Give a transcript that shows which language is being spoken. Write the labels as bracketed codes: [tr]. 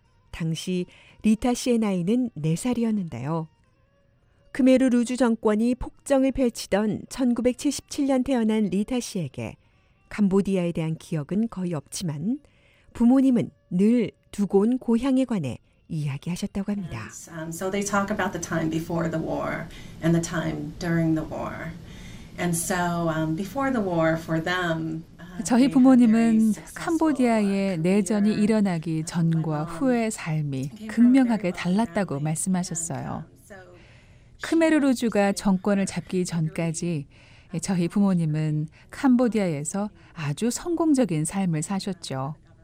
[ko] 당시 리타 씨의 나이는 4살이었는데요. 크메르 루즈 정권이 폭정을 펼치던 1977년 태어난 리타 씨에게 캄보디아에 대한 기억은 거의 없지만 부모님은 늘 두고 온 고향에 관해 이야기하셨다고 합니다. [en] So they talk about the time before the war and the time during the war. And so before the war for them [ko] 저희 부모님은 캄보디아의 내전이 일어나기 전과 후의 삶이 극명하게 달랐다고 말씀하셨어요. 크메르 루즈가 정권을 잡기 전까지 저희 부모님은 캄보디아에서 아주 성공적인 삶을 사셨죠.